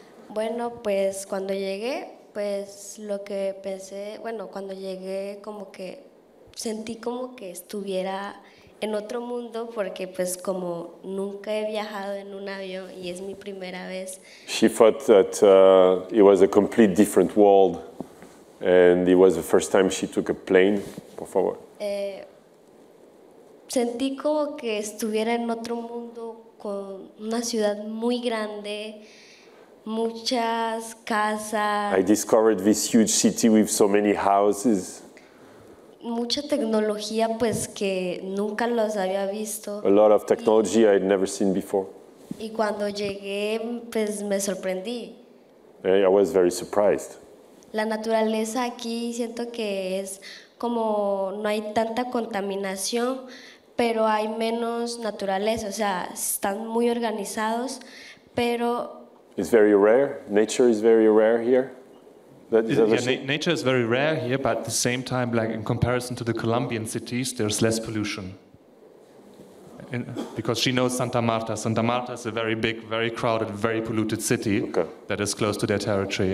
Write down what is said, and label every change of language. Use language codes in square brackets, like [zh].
[es] Bueno, pues cuando llegué, Pues lo que pensé, bueno, cuando llegué como que sentí como que estuviera en otro mundo porque pues como nunca he viajado en un avión y es mi primera vez. [en] She thought that it was a complete different world and it was the first time she took a plane. [es] Por favor. Sentí como que estuviera en otro mundo con una ciudad muy grande, muchas casas. [en] I discovered this huge city with so many houses. [es] Mucha tecnología, pues que nunca los había visto. [en] A lot of technology I had never seen before. [es] Y cuando llegué, pues me sorprendí. [en] I was very surprised. [es] La naturaleza aquí siento que es como no hay tanta contaminación, pero hay menos naturaleza. O sea, están muy organizados, pero. [en] It's very rare. Nature is very rare here. Nature is very rare here, but at the same time, like in comparison to the Colombian cities, there's less pollution. Because she knows Santa Marta. Santa Marta is a very big, very crowded, very polluted city that is close to their territory.